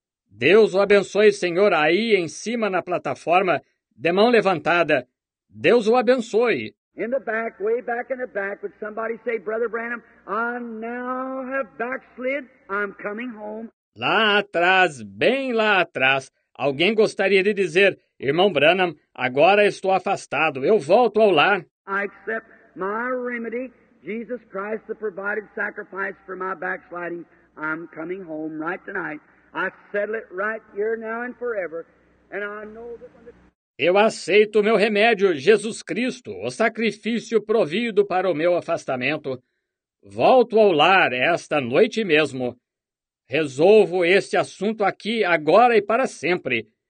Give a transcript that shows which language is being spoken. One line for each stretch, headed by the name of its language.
Portuguese: Deus o abençoe, senhor, aí em cima na plataforma, de mão levantada. Deus o abençoe.
English: In the back, way back in the back, would somebody say, Brother Branham, I now have backslid, I'm coming home.
Portuguese: Lá atrás, bem lá atrás, alguém gostaria de dizer, Irmão Branham, agora estou afastado, eu volto ao lar.
English: I accept my remedy, Jesus Christ, the provided sacrifice for my backsliding, I'm coming home right tonight. I settle it right here now and forever, and I know that when the...
Portuguese: Eu aceito o meu remédio, Jesus Cristo, o sacrifício provido para o meu afastamento. Volto ao lar esta noite mesmo. Resolvo este assunto aqui, agora e para sempre.